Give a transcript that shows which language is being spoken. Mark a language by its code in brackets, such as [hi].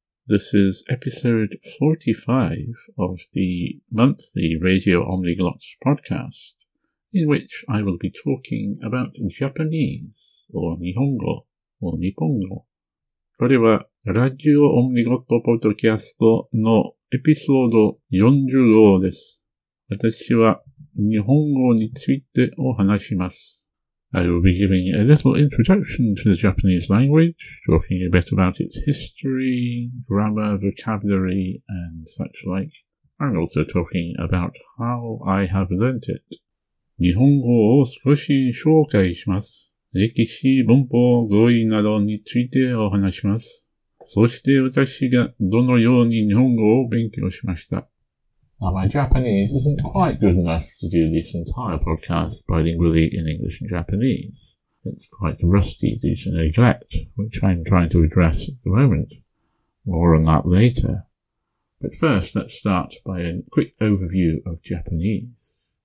[en] This is episode 45 of the monthly Radio Omniglot podcast, in which I will be talking about Japanese, or Nihongo, or Nippongo. [ja] これはラジオオムニゴットポッドキャストのエピソード40号です。私は日本語についてお話します。 [en] I will be giving a little introduction to the Japanese language, talking a bit about its history, grammar, vocabulary, and such like. I'm also talking about how I have learnt it. [ja] 日本語を少し紹介します。歴史、文法、語彙などについてお話します。そして私がどのように日本語を勉強しました。 [en] Now, my Japanese isn't quite good enough to do this entire podcast bilingually in English and Japanese. It's quite rusty due to neglect, which I'm trying to address at the moment. More on that later. But first, let's start by a quick overview of Japanese.